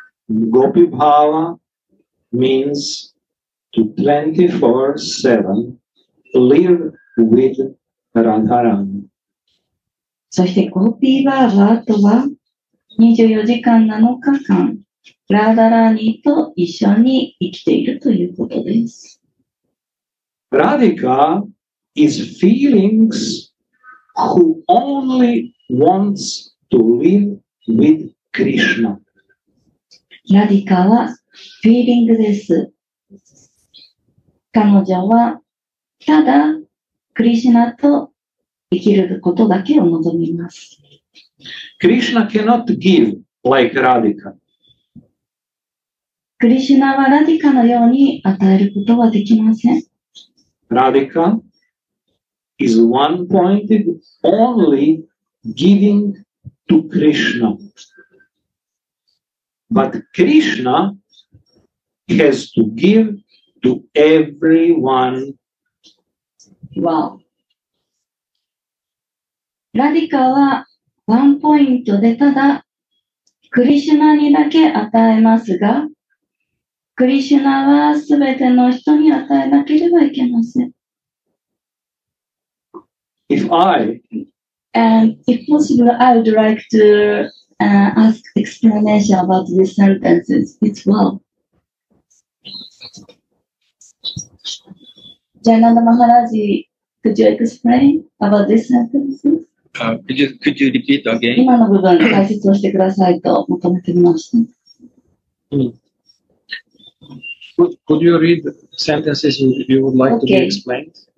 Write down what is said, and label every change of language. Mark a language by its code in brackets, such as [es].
[en] Gopi Bhava means. 24/7 live with Radharani. [ja] そしてゴピーバーバーとは24時間7日間ラダラーニーと一緒に生きているということです。 [en] Radhika is feelings who only wants to live with Krishna. [ja] Radhika はフィーリングです。彼女はただクリシュナと生きることだけを望みます。 [en] クリシュナ cannot give like Radhika. [ja] クリシュナはラディカのように与えることはできません。 [en] Radhika is one-pointed only giving to Krishna. But Krishna has to give. To everyone. Wow. [ja] Radhika はワンポイントでただクリシュナにだけ与えますが、クリシュナはすべての人に与えなければいけません。 [en] If I and if possible, I would like to、ask explanation about these sentences. It's well. Jayananda Maharaj, could you explain about this sentence? Could you repeat again? [ja] 今の部分解説をしてくださいと求めてみました。 [en] Could you read the sentences you would like to be explained?